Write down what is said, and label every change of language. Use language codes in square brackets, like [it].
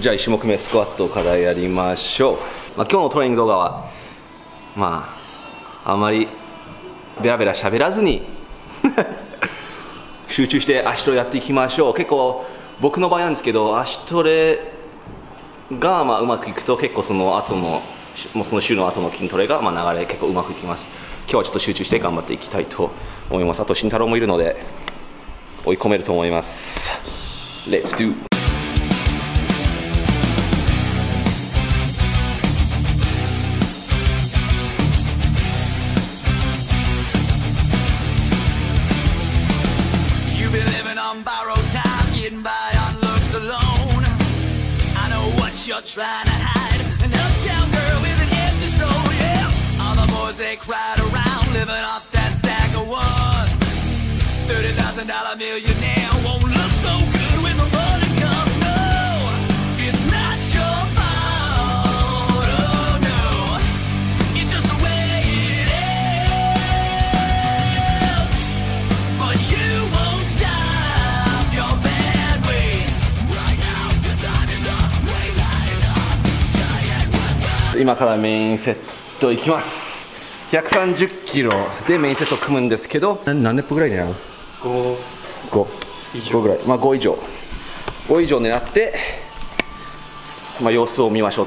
[ja] じゃあ1種目目スクワットからやりましょう。まあ、今日のトレーニング動画はまああまりベラベラ喋らずに集中して足トレやっていきましょう。結構僕の場合なんですけど、足トレがまあうまくいくと結構その後のもうその週の後の筋トレがまあ流れ結構うまくいきます。今日はちょっと集中して頑張っていきたいと思います。あと慎太郎もいるので追い込めると思います。 [en] Let's doTrying to hide an uptown girl with an empty soul, yeah. All the boys they crowd around, living off that stack of ones. $30,000 millionaire won't look so good when the morning comes. No, it's not your fault. Oh no, it's just the way it is. But you won't stop your bad ways. Right now, your time is up. [ja] 今からメインセットいきます。130キロでメインセット組むんですけど、何レップぐらい狙う？ 5 ぐらい、まあ、5以上狙って、まあ、様子を見ましょう。